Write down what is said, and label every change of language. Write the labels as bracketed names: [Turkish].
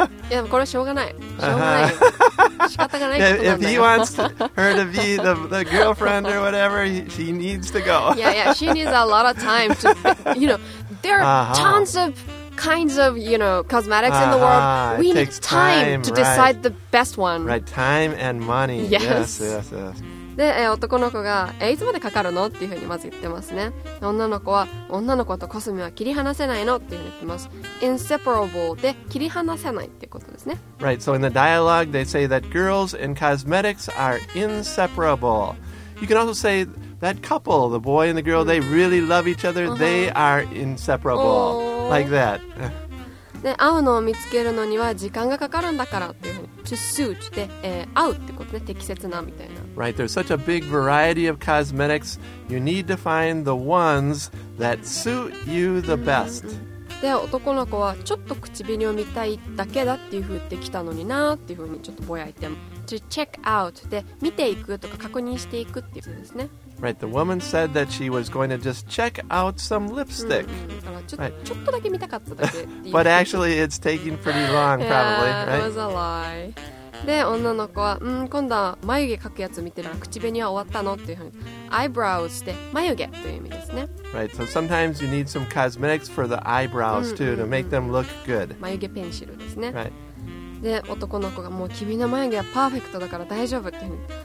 [English] If he wants her to be the girlfriend or whatever, she needs to go. Yeah, she needs a lot of time to, you know, there are tons of kinds of, you know, cosmetics in the world. We need time to decide the best one. Right, time and money. Yes. [Japanese] で、男の子が、いつまでかかるのっていうふうにまず言ってますね。女の子は、女の子とコスメは切り離せないのっていうふうに言ってます。 Inseparable で切り離せないっていうことですね。 [English] Right, so in the dialogue they say that girls and cosmetics are inseparable. You can also say that couple, the boy and the girl, they really love each other. They are inseparable. Like that. [Japanese] で、会うのを見つけるのには時間がかかるんだからっていうふうに。 To suit で、合うってことね、適切なみたいな。 [English] Right, there's such a big variety of cosmetics. You need to find the ones that suit you the best. [Japanese] で、男の子はちょっと唇を見たいだけだっていう風ってきたのになっていう風にちょっとぼやいて。 To check out で見ていくとか確認していくっていうことですね。 [English] Right, the woman said that she was going to just check out some lipstick. [Japanese] ちょっとだけ見たかっただけ。 [English] But actually, it's taking pretty long, probably. Yeah, it was a lie. [Japanese] で、女の子は、うん、今度は眉毛描くやつ見てるから、口紅は終わったのっていうふうに、eyebrows して、眉毛という意味ですね。 [English] Right, so sometimes you need some cosmetics for the eyebrows too, to make them look good. [Japanese] 眉毛ペンシルですね。 [English] Right. [Japanese] で男の子がもう君の眉毛はパーフェクトだから大丈夫っていうふうに。